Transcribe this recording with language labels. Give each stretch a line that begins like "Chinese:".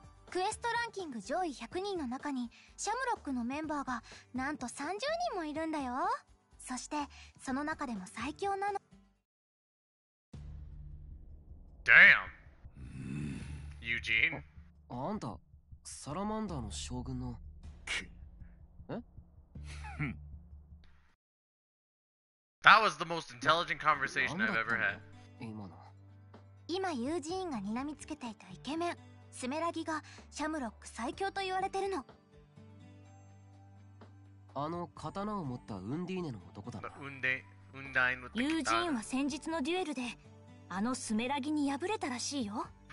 Japanese: クエストランキング上位100人の中にシャムロックのメンバーがなんと30人もいるんだよ。そしてその中でも最強なの。
English: Damn Eugene。
Japanese: あんたサラマンダーの将軍の。
English: That was the most intelligent conversation I've ever had.
Japanese: 今ユージーンがにらみつけていたイケメン、スメラギがシャムロック最強と言われてるの。あの刀を持ったウンディーネの男だな。ユージーンは先日のデュエルで、あのスメラギに敗れたらしいよ。